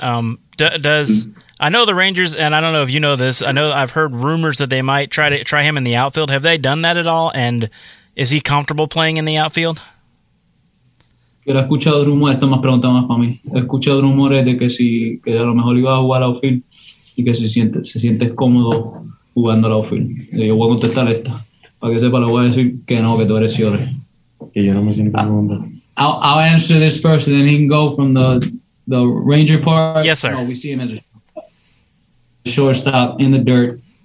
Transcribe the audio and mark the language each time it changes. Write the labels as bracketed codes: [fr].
[en] I know the Rangers, and I don't know if you know this, I know I've heard rumors that they might try him in the outfield. Have they done that at all? And is he comfortable playing in the outfield? [es] Yo he escuchado rumores, esto me ha preguntado más para mí. He escuchado rumores de que si que a lo mejor iba a jugar a outfield y que se siente cómodo jugando a outfield. Yo voy a contestar esta. Para que sepa, le voy a decir que no, que tú eres Ciore. Que yo no me siento cómodo. [en] I'll answer this first and then he can go from the Ranger part. Yes, sir. No, we see him as a shortstop in the dirt.